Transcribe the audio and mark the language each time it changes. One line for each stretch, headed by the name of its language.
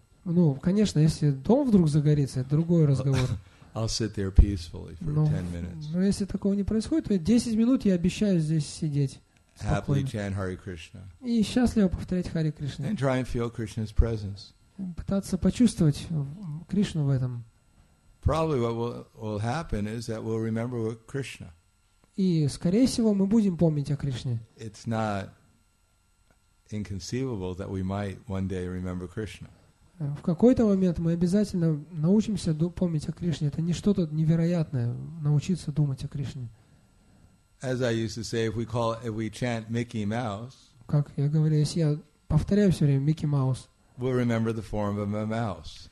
Russian: Ну, конечно, если дом вдруг загорится, это другой разговор.
English: I'll sit there peacefully for 10 minutes.
Russian: Но если такого не происходит, то 10 минут я обещаю здесь сидеть.
English: Happily chant Hare Krishna.
Russian: И счастливо повторять Харе Кришна.
English: And try and feel Krishna's presence.
Russian: Пытаться почувствовать Кришну в этом.
English: Probably what will happen is that we'll remember Krishna.
Russian: И, скорее всего, мы будем помнить о Кришне.
English: It's not inconceivable that we might one day remember Krishna.
Russian: В какой-то момент мы обязательно научимся помнить о Кришне. Это не что-то невероятное, научиться думать о Кришне.
English: As I used to say, if we chant Mickey Mouse,
Russian: как я говорил, если я повторяю все время Микки Маус,
English: we'll remember the form of a mouse.